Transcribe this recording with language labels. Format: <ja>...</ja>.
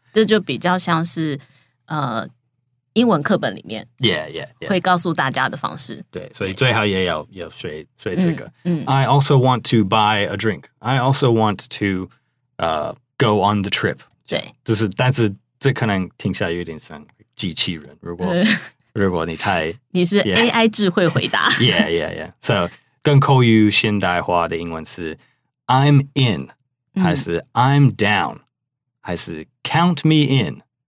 <zh>这就比较像是英文课本里面。</zh> <en>Yeah.</en> <zh>会告诉大家的方式。对，所以最好也要学这个。</zh> <en>I also want to buy a drink. I also want to go on the trip.</en> <zh>对。就是但是这可能听起来有点像机器人。如果你太。你是 AI 智慧回答。 Yeah. So, 更口语现代化的英文是 I'm in, 还是 I'm down, 还是 count me in。</zh>